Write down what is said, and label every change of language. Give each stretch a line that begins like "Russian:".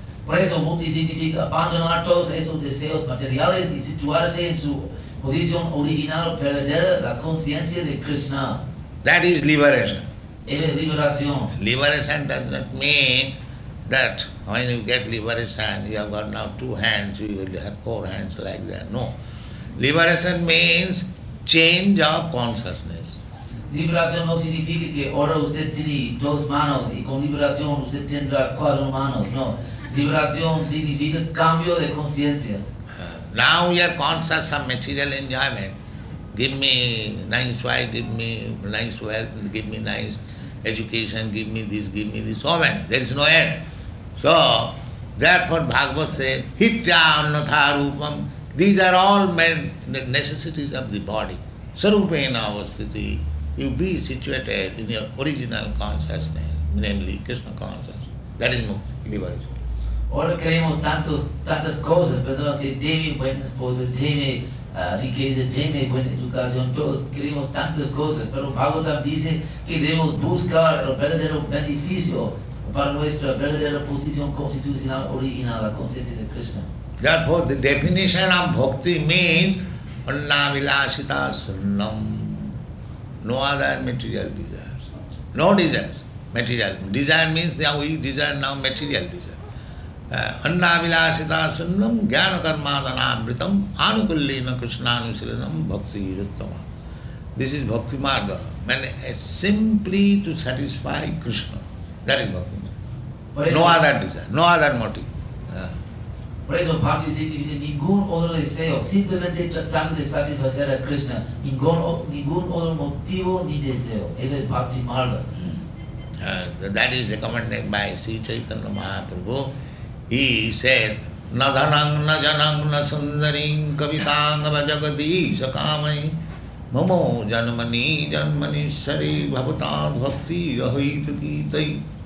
Spanish: Por eso mukti significa abandonar todos esos deseos materiales y situarse en su posición original, perder la conciencia de Krishna.
English: That is liberation.
Spanish: Eso es liberación.
English: Liberation does not mean that when you get liberation, you have got now two hands, you will have four hands like that. No. Liberation means change of consciousness.
Spanish: Liberación no significa que ahora usted tiene dos manos y con liberación usted tendrá cuatro manos. No. Liberación significa cambio de conciencia.
English: Now we are conscious of material enjoyment. Give me nice wife, give me nice wealth, give me nice education, give me this. So many. There is no end. So, therefore Bhagavad says,
Sanskrit: hitya anatha rupam.
English: These are all made necessities of the body.
Sanskrit: Sarupena avasthiti.
English: You be situated in your original consciousness, namely Krishna consciousness. That is mukti, liberation.
Spanish: Ahora queremos tantas cosas, personas que deme buena esposa, deme riqueza, deme buena educación, todos queremos tantas cosas, pero Bhagavatam dice que debemos buscar el verdadero beneficio para nuestra verdadera posición constitucional original, la conciencia de Krishna.
English: Therefore, the definition of bhakti means
Sanskrit: anna vilasita sannam,
English: no other material desires. No desires, material. Desire means that we desire now material desires.
Sanskrit: Anna vilasita sannam jnana karmadana amritam anukullina krishnanusilanam bhakti yirattama.
English: This is bhakti marga. Simply to satisfy Krishna. That is bhakti marga. No other desire, no other motive.
Spanish: Por eso bhakti significa ningún otro deseo, simplemente tratando de satisfacer a Krishna. Ningún otro motivo ni deseo. Eso es bhakti marga.
English: That is recommended by Sri Chaitanya Mahaprabhu. He says,
Sanskrit: Nadhanang na janang na sundaring kavitang bhajagadi sakamai mamo janmani janmani sari bhavatad bhakti rahituki tai.